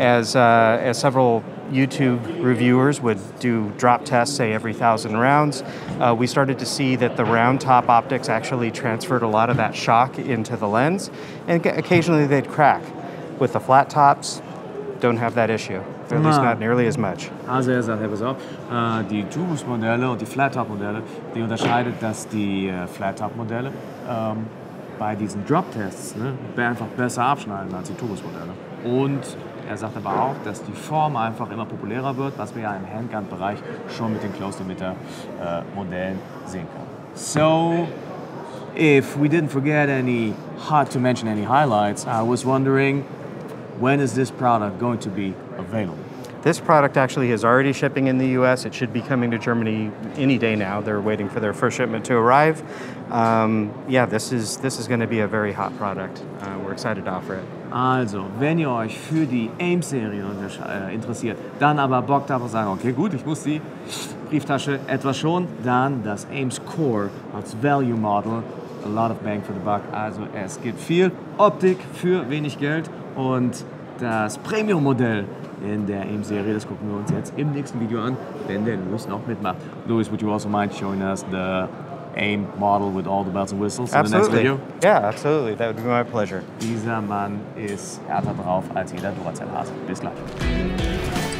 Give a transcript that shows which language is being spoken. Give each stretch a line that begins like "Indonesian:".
English: As several YouTube reviewers would do drop tests, say every 1,000 rounds, we started to see that the round top optics actually transferred a lot of that shock into the lens, and occasionally they'd crack. With the flat tops, don't have that issue. At least not nearly as much.
German: Also er sagt, hey, pass auf, die Tubus-Modelle und die Flat-Top-Modelle, die unterscheidet, dass die Flat-Top-Modelle bei diesen Drop-Tests, ne, einfach besser abschneiden als die Tubus-Modelle. Und er sagt aber auch, dass die Form einfach immer populärer wird, was wir ja im Handgun-Bereich schon mit den Closed-Emitter-Modellen sehen können.
English: So, if we didn't forget any, hard to mention any highlights, I was wondering, when is this product going to be available? This product actually is already shipping in the US. It should be coming to Germany any day now. They're waiting for their first shipment to arrive. This is going to be a very hot product. We're excited to offer it.
German: Also, wenn ihr euch für die AEMS-Serie interessiert, dann aber Bock darauf und sagen, okay, gut, ich muss die Brieftasche etwas schon, dann das AEMS Core als Value Model,
English: a lot of bang for the buck.
German: Also, es gibt viel Optik für wenig Geld. Und das Premium-Modell in der AEMS-Serie, das gucken wir uns jetzt im nächsten Video an, wenn der Louis noch mitmacht.
English: Louis, would you also mind showing us the AEM model with all the bells and whistles absolutely in the next video? Yeah, absolutely. That would be my pleasure.
German: Dieser Mann ist härter drauf als jeder Duracell-Hase. Bis gleich.